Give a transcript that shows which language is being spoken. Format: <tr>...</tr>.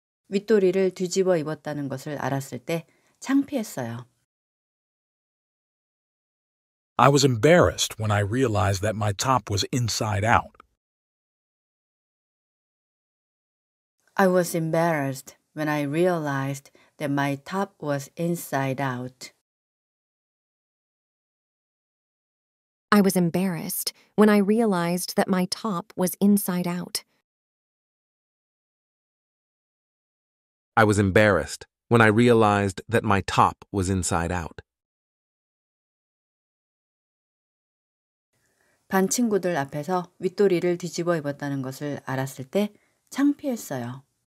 <ko>윗도리를 뒤집어 입었다는 것을 알았을 때 창피했어요.</ko> <en>I was embarrassed when I realized that my top was inside out. I was embarrassed when I realized that my top was inside out. I was embarrassed when I realized that my top was inside out. I was embarrassed when I realized that my top was inside out.</en> <ko>반 친구들 앞에서 윗도리를 뒤집어 입었다는 것을 알았을 때 창피했어요.</ko>